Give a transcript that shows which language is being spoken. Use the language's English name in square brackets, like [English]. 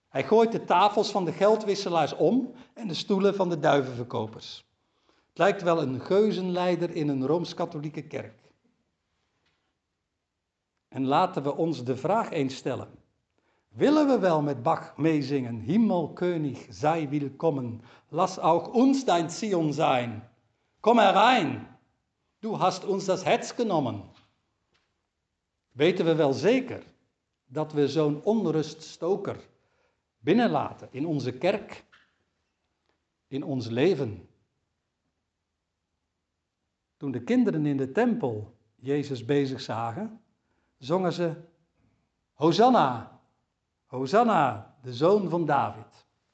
[Dutch] Hij gooit de tafels van de geldwisselaars om en de stoelen van de duivenverkopers. Het lijkt wel een geuzenleider in een Rooms-Katholieke kerk. En laten we ons de vraag eens stellen. Willen we wel met Bach meezingen? [German] Himmelkönig, sei willkommen. Lass auch uns dein Zion sein. Kom herein. Du hast uns das Herz genommen. [Dutch] Weten we wel zeker dat we zo'n onruststoker binnenlaten in onze kerk, in ons leven? Toen de kinderen in de tempel Jezus bezig zagen, zongen ze Hosanna, Hosanna, de Zoon van David.